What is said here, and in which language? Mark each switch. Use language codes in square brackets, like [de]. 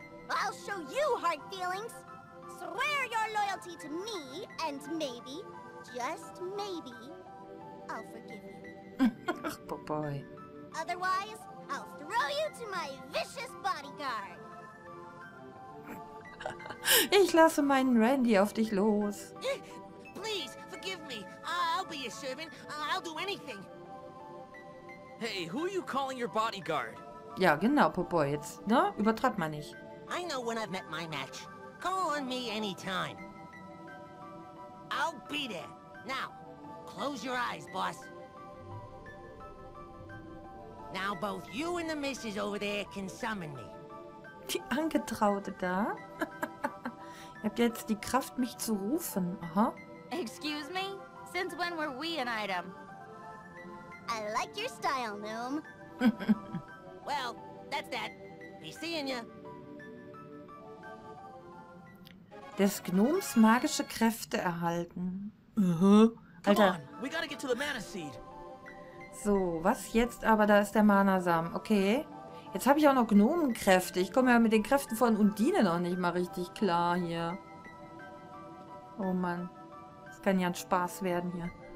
[en] I'll show you hard feelings. Swear your loyalty to me, and maybe, just maybe, I'll forgive you. [de] Ach, Popoy. [en] Otherwise, I'll throw you to my vicious bodyguard. [de] Ich lasse meinen Randy auf dich los. [en] Please, forgive me. I'll be your servant. I'll do anything. Hey, who are you calling your bodyguard? [de] Ja, genau, Popoy, jetzt, ne? Übertreib mal nicht. [en] I know when I've met my match. Call on me anytime. I'll be there. Now, close your eyes, boss. Now both you and the missus over there can summon me. [de] Die Angetraute da? Ihr habt jetzt die Kraft, mich zu rufen, aha. [en] Excuse me? Since when were we an item? I like your style, Gnome. Well, that's that. Be seeing ya. [de] Des Gnomes magische Kräfte erhalten. Alter. [en] Come on, we gotta get to the mana seed. [de] So, was jetzt aber? Da ist der Mana-Samen. Okay. Jetzt habe ich auch noch Gnomenkräfte. Ich komme ja mit den Kräften von Undine noch nicht mal richtig klar hier. Oh Mann. Das kann ja ein Spaß werden hier.